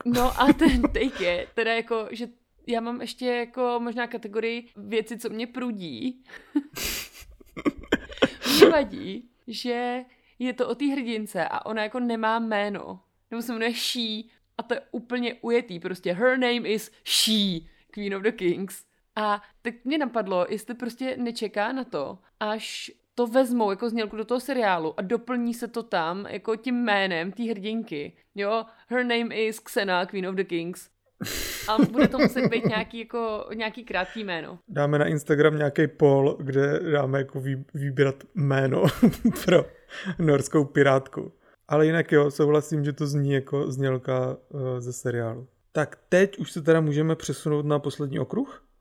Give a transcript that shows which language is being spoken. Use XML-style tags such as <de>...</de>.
<cs>No a ten take je, teda jako, že já mám ještě jako možná kategorii věci, co mě prudí. Mě vadí, že je to o té hrdince a ona jako nemá jméno. Nebo se jmenuje She a to je úplně ujetý.</cs> <en>Prostě her name is She, Queen of the Kings.</en> <cs>A tak mě napadlo, jestli prostě nečeká na to, až to vezmou jako znělku do toho seriálu a doplní se to tam jako tím jménem té hrdinky.</cs> <en>Jo, her name is Xena, Queen of the Kings.</en> <cs>A bude to muset být nějaký, jako, nějaký krátký jméno. Dáme na Instagram nějaký poll, kde dáme jako vybírat jméno pro norskou pirátku. Ale jinak jo, souhlasím, že to zní jako znělka ze seriálu. Tak teď už se teda můžeme přesunout na poslední okruh?</cs>